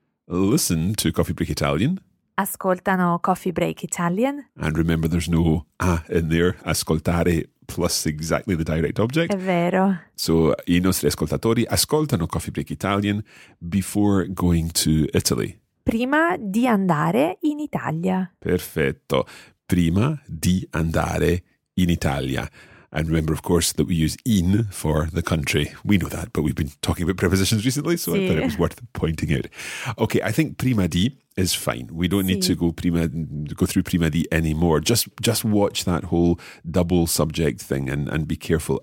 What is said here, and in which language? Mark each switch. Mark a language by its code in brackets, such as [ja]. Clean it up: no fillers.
[en] Listen to Coffee Break Italian. [it] Ascoltano Coffee Break Italian. [en] And remember there's no a in there. Ascoltare plus exactly the direct object. [it] È vero. [en] So, [it] I nostri ascoltatori ascoltano [en] Coffee Break Italian before going to Italy. [it] Prima di andare in Italia. Perfetto. Prima di andare in Italia. [en] And remember, of course, that we use in for the country. We know that, but we've been talking about prepositions recently, so sì. I thought it was worth pointing out. Okay, I think prima di is fine. We don't need to go through prima di anymore. Just watch that whole double subject thing and be careful.